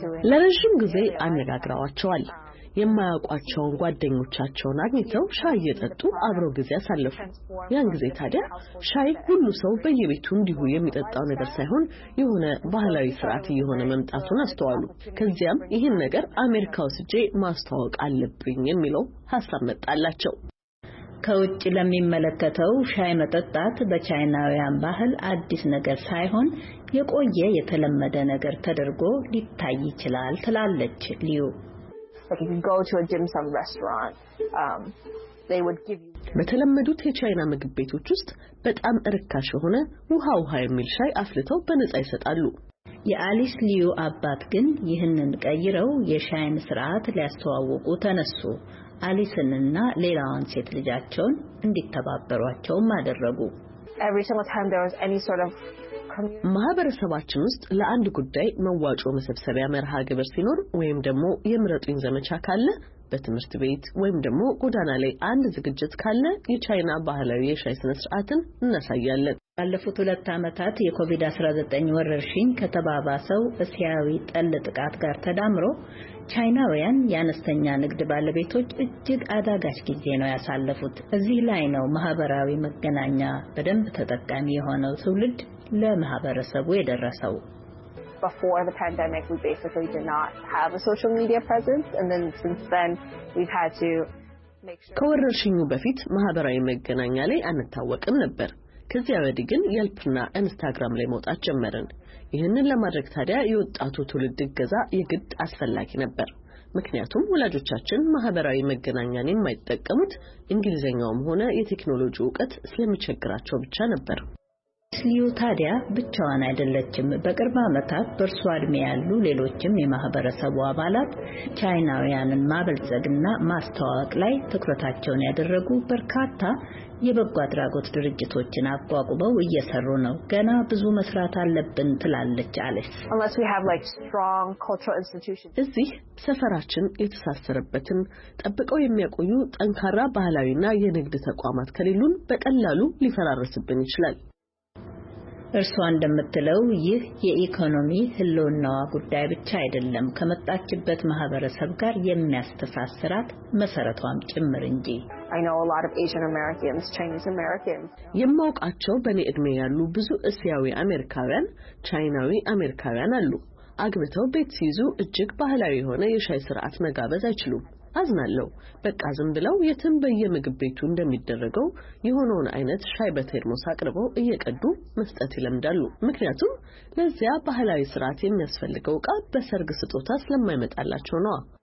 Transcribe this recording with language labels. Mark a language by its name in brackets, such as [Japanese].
[Amharic] ለረጅም ጊዜ አነጋግረዋቸዋል። የማያውቋቸውን ጓደኞቻቸውን አግኝተው ሻይ እየጠጡ አብረው ጊዜ አሳለፉ። ያን ጊዜ ታዲያ ሻይ ሁሉ ሰው በየቤቱ እንዲሁ የሚጠጣው ነገር ሳይሆን የሆነ ባህላዊ ስርዓት የሆነ መምጣቱን አስተዋሉ። ከዚያም ይሄን ነገር አሜሪካ ውስጥ ማስተዋወቅ አለብኝ የሚለው ሐሳብ መጣላቸው። ከውጭ ለሚመለከተው ሻይ መጠጣት በቻይናውያን ባህል አዲስ ነገር ሳይሆን የቆየ የተለመደ ነገር ተደርጎ ሊታይ ይችላል ትላለች ሊዮ። [English] Like if you go to a dim sum restaurant, they would give you [Amharic] በተለመዱት የቻይና ምግብ ቤቶች ውስጥ በጣም እርካሽ ሆነ ውሃው ሃይሚል ሻይ አፍልተው በነጻ ይሰጣሉ። የአሊስ ሊዮ አባት ግን ይህንን ቀይረው የሻይን ስርዓት ሊያስተዋውቁ ተነሱ። አሊስንና ሌላውን ሴት ልጃቸውን እንዲተባበሯቸው ማደረጉ [English] Every single time there was any sort of [Amharic] ማህበረሰባችን ውስጥ ለአንድ ጉዳይ መዋጮ መሰብሰቢያ መርሃ ግብር ሲኖር ወይም ደግሞ የምረጡኝ ዘመቻ ካለ፣ በትምህርት ቤት ወይም ደግሞ ጎዳና ላይ አንድ ዝግጅት ካለ የቻይና ባህላዊ የሻይ ስነ ስርዓትን እናሳያለን። ባለፉት 2 አመታት የኮቪድ-19 ወረርሽኝ ከተባባሰው እስያዊ ጠል ጥቃት ጋር ተዳምሮ ቻይናውያን ያነስተኛ ንግድ ባለቤቶች እጅግ አዳጋች ጊዜ ነው ያሳለፉት። እዚህ ላይ ነው ማህበራዊ መገናኛ በደንብ ተጠቃሚ የሆነው ትውልድ ለማህበረሰቡ የደረሰው። [English] Before the pandemic we basically did not have a social media presence and then since then we've had to make sure [Amharic] ከወረርሽኙ በፊት ማህበራዊ መገናኛ ላይ አንታወቅም ነበር። ከዚያ ወዲህ ግን የልፕና ኢንስታግራም ላይ መውጣት ጀመርን። ይህንን ለማድረግ ታዲያ የወጣቱ ትውልድ ገዛ የግድ አስፈላጊ ነበር። ምክንያቱም ወላጆቻችን ማህበራዊ መገናኛን የማይጠቀሙት እንግሊዘኛውም ሆነ የቴክኖሎጂ ዕውቀት ስለሚቸግራቸው ብቻ ነበር። ሊዮ ታዲያ ብቻዋን አይደለችም። በቅርብ አመታት በርሷ እድሜ ያሉ ሌሎችም የማህበረሰቡ አባላት ቻይናውያንን ማበልጸግና ማስተዋወቅ ላይ ትኩረታቸውን ያደረጉ በርካታ የበጎ አድራጎት ድርጅቶችን አቋቁመው እየሰሩ ነው። ገና ብዙ መስራት አለብን ትላለች አለስ። [English] Unless we have like strong cultural institutions. [Amharic] እዚህ ሰፈራችን የተሳሰረበትን ጠብቀው የሚያቆዩ ጠንካራ ባህላዊና የንግድ ተቋማት ከሌሉን በቀላሉ ሊፈራረስብን ይችላል። እርሷ እንደምትለው ይህ የኢኮኖሚ ህልውናዋ ጉዳይ ብቻ አይደለም፣ ከመጣችበት ማህበረሰብ ጋር የሚያስተሳስራት መሰረቷም ጭምር እንጂ። [English] I know a lot of Asian Americans, Chinese Americans. [Amharic] የማውቃቸው በኔ እድሜ ያሉ ብዙ እስያዊ አሜሪካውያን፣ ቻይናዊ አሜሪካውያን አሉ። አግብተው ቤት ሲይዙ እጅግ ባህላዊ የሆነ የሻይ ስርዓት መጋበዝ አይችሉም። አዝናለሁ። በቃ ዝም ብለው የትም በየምግብ ቤቱ እንደሚደረገው የሆነውን አይነት ሻይ በቴርሞስ አቅርበው እየቀዱ መስጠት ይለምዳሉ። ምክንያቱም ለዚያ ባህላዊ ስርዓት የሚያስፈልገው ቃ በሰርግ ስጦታ ስለማይመጣላቸው ነው።